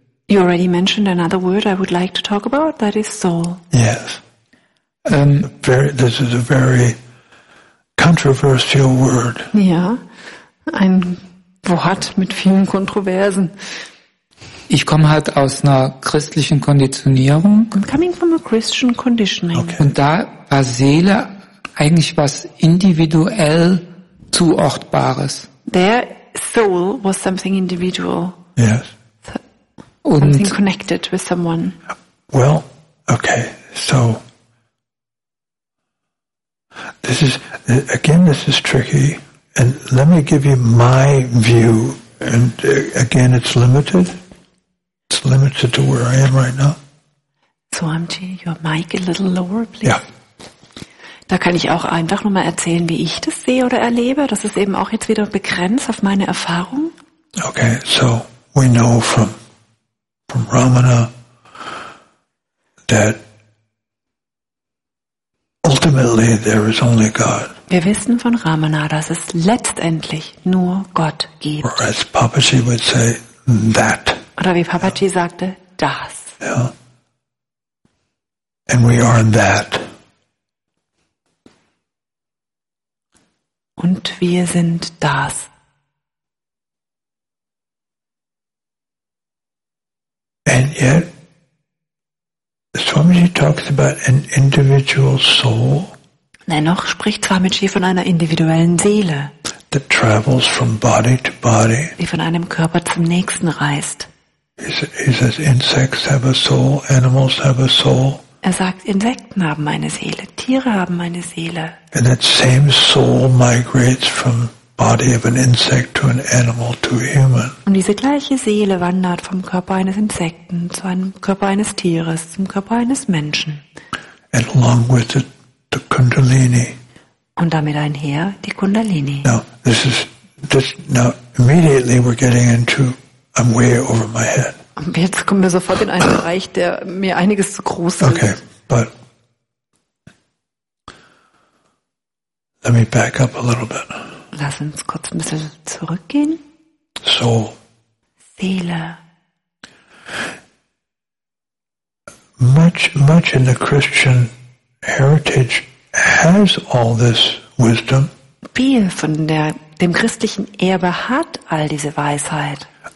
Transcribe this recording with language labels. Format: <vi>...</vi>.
<en>You already mentioned another word I would like to talk about, that is soul. Yes. This is a very controversial word.</en> <de>Ja, ein Wort mit vielen Kontroversen. Ich komme halt aus einer christlichen Konditionierung.</de> <en>I'm coming from a Christian conditioning. Okay.</en> <de>Und da war Seele eigentlich was individuell zuortbares.</de> <en>Their soul was something individual. Yes. Something connected with someone. Well, okay. So this is again. This is tricky. And let me give you my view. And again, it's limited. It's limited to where I am right now. So, Amji, your mic a little lower, please. Yeah.</en> <de>Da kann ich auch einfach nur mal erzählen, wie ich das sehe oder erlebe. Das ist eben auch jetzt wieder begrenzt auf meine Erfahrung.</de> <en>Okay, so we know from Ramana that ultimately there is only God.</en> <de>Wir wissen von Ramana, dass es letztendlich nur Gott gibt.</de> <en>Or as Papaji would say, that.</en> <de>Oder wie Papaji sagte, das.</de> <en>Yeah. And we are that.</en> <de>Und wir sind das.</de> <en>And yet, Swamiji talks about an individual soul.</en> <de>Dennoch spricht Swamiji von einer individuellen Seele.</de> <en>That travels from body to body.</en> <de>Die von einem Körper zum nächsten reist.</de> <en>He says, insects have a soul, animals have a soul.</en> <de>Er sagt, Insekten haben eine Seele, Tiere haben eine Seele.</de> <en>And that same soul migrates from body of an insect to an animal to a human.</en> <de>Und diese gleiche Seele wandert vom Körper eines Insekten zu einem Körper eines Tieres zum Körper eines Menschen.</de> <en>And along with it, the Kundalini.</en> <de>Und damit einher die Kundalini.</de> <en>Now this is this. Now immediately we're getting into. I'm way over my head.</en> <de>Jetzt kommen wir sofort in einen Bereich, der mir einiges zu groß ist.</de> <en>Okay, but let me back up a little bit.</en> <de>Lass uns kurz ein bisschen zurückgehen.</de> <en>Soul.</en> <de>Seele.</de> <en>Much in the Christian heritage has all this wisdom.</en> <de>Viel von dem christlichen Erbe hat all diese Weisheit.</de>